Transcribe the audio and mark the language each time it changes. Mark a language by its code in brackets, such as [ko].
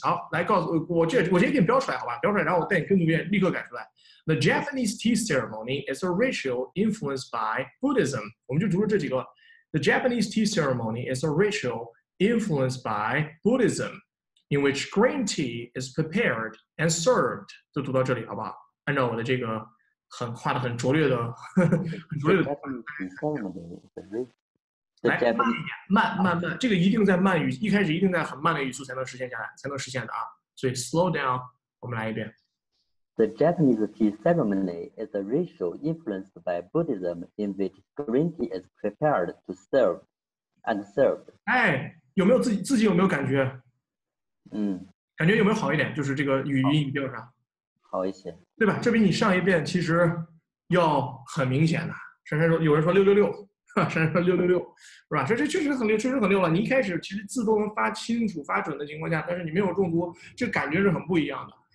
[zh] 好，来告诉我，我直接给你标出来，好吧，标出来，然后我带你跟读一遍，立刻改出来。 [en] The Japanese tea ceremony is a ritual influenced by Buddhism。 [zh] 我们就读了这几个。 [en] The Japanese tea ceremony is a ritual influenced by Buddhism。 In which green tea is prepared and served， [zh] 就读到这里，好不好？按照我的这个很画的很拙劣的，很拙劣的。来，慢一点，慢，这个一定在慢语，一开始一定在很慢的语速才能实现下来，才能实现的啊。所以 [en] slow down， [zh] 我们来一遍。 [en] The Japanese tea ceremony is a ritual influenced by Buddhism in which green tea is prepared to serve and served。 [zh] 哎，有没有自己有没有感觉？嗯，感觉有没有好一点？就是这个语音语调上好一些，对吧？这比你上一遍其实要很明显的。珊珊说，有人说666，珊珊说666，是吧？这确实很溜，确实很溜了。你一开始其实字都能发清楚、发准的情况下，但是你没有重读，这感觉是很不一样的。